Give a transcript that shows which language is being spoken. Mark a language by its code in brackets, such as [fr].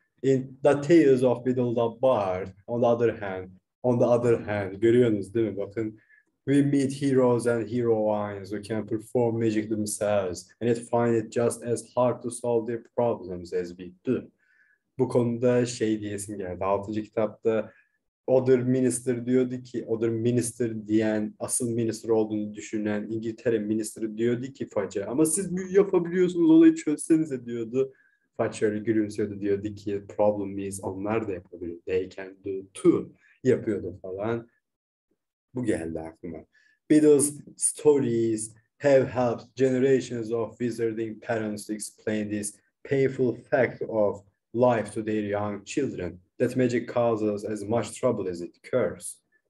[en] In the tales of Beedle-the-Bard, on the other hand, [tr] görüyorsunuz değil mi? [en] Bakın, we meet heroes and heroines who can perform magic themselves and yet find it just as hard to solve their problems as we do. [tr] Bu konuda şey diyesim geldi. Altıncı kitapta Other Minister diyordu ki, Other Minister diyen, asıl minister olduğunu düşünen İngiltere ministeri diyordu ki Fudge'a, ama siz büyü yapabiliyorsunuz, olayı çözsenize diyordu. Fudge öyle gülümsüyordu, diyordu ki [en] problem is [tr] onlar da yapabilir. [en] They can do too. [tr] Yapıyordu falan. Bu geldi aklıma. [en] Beedle's stories have helped generations of wizarding parents to explain this painful fact of life to their young children, that magic causes as much trouble as it cures.